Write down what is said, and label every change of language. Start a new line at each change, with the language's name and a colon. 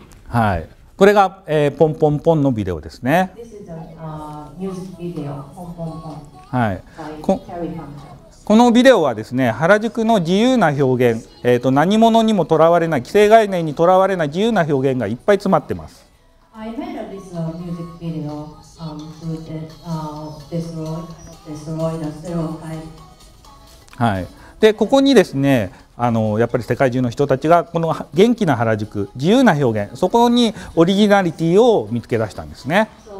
Japanese: はい、これが、ポンポンポンのビデオですね。
English: This is a music video, ポンポンポン。
Japanese: はい、このビデオはですね、原宿の自由な表現、何者にもとらわれない、既成概念にとらわれない自由な表現がいっぱい詰まってます。
English: I made this music video through Destroyed Stereotype.
Japanese: はい。でここにですね、あのやっぱり世界中の人たちがこの元気な原宿、自由な表現、そこにオリジナリティを見つけ出したんですね。